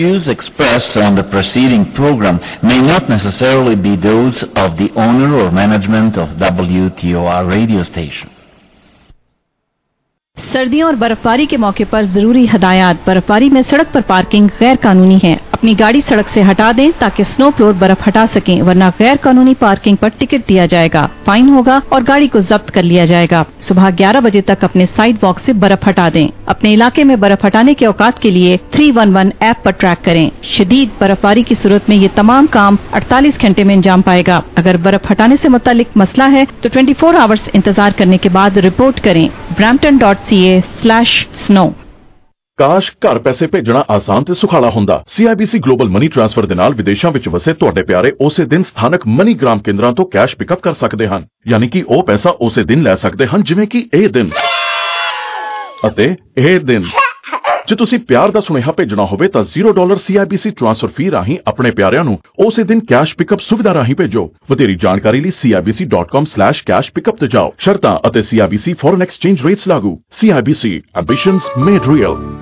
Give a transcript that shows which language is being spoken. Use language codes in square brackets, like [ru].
[en] expressed on the preceding program may not necessarily be those of the owner or management of WTOR radio station. [ur] سردیوں اور برفباری کے موقع پر ضروری ہدایات برفباری میں سڑک پر پارکنگ غیر قانونی ہے اپنی گاڑی سڑک سے ہٹا دیں تاکہ سنو فلور برف ہٹا سکیں ورنہ غیر قانونی پارکنگ پر ٹکٹ دیا جائے گا فائن ہوگا اور گاڑی کو ضبط کر لیا جائے گا صبح 11 بجے تک اپنے سائیڈ واک سے برف ہٹا دیں اپنے علاقے میں برف ہٹانے کے اوقات کے لیے 311 ایپ پر ٹریک کریں شدید برفباری کی صورت میں یہ تمام کام 48 گھنٹے میں انجام پائے گا اگر برف ہٹانے سے متعلق مسئلہ ہے تو 24 آورز انتظار کرنے کے بعد رپورٹ کریں brampton.ca/snow [pa] ਕਾਸ਼ ਘਰ ਪੈਸੇ ਭੇਜਣਾ ਆਸਾਨ ਤੇ ਸੁਖਾਲਾ ਹੁੰਦਾ ਸੀਆਈਬੀਸੀ ਗਲੋਬਲ ਮਨੀ ਟ੍ਰਾਂਸਫਰ ਦੇ ਨਾਲ ਵਿਦੇਸ਼ਾਂ ਵਿੱਚ ਵਸੇ ਤੁਹਾਡੇ ਪਿਆਰੇ ਉਸੇ ਦਿਨ ਸਥਾਨਕ ਮਨੀ ਗ੍ਰਾਮ ਕੇਂਦਰਾਂ ਤੋਂ ਕੈਸ਼ ਪਿਕਅਪ ਕਰ ਸਕਦੇ ਹਨ ਯਾਨੀ ਕਿ ਉਹ ਪੈਸਾ ਉਸੇ ਦਿਨ ਲੈ ਸਕਦੇ ਹਨ ਜਿਵੇਂ ਕਿ ਇਹ ਦਿਨ ਜੇ ਤੁਸੀਂ ਪਿਆਰ ਦਾ ਸੁਨੇਹਾ ਭੇਜਣਾ ਹੋਵੇ ਤਾਂ $0 ਸੀਆਈਬੀਸੀ ਟ੍ਰਾਂਸਫਰ ਫੀ ਰਾਹੀਂ ਆਪਣੇ ਪਿਆਰਿਆਂ ਨੂੰ ਉਸੇ ਦਿਨ ਕੈਸ਼ ਪਿਕਅਪ ਸੁਵਿਧਾ ਰਾਹੀਂ ਭੇਜੋ ਵਧੇਰੀ ਜਾਣਕਾਰੀ ਲਈ cibc.com/cashpickup ਤੇ ਜਾਓ ਸ਼ਰਤਾਂ ਅਤੇ ਸੀਆਈਬੀਸੀ ਫੋਰਨ ਐਕਸਚੇਂਜ ਰੇਟਸ ਲਾਗੂ ਸੀਆਈਬੀਸੀ ਐਂਬੀਸ਼ਨਸ ਮੇਡ ਰੀਅਲ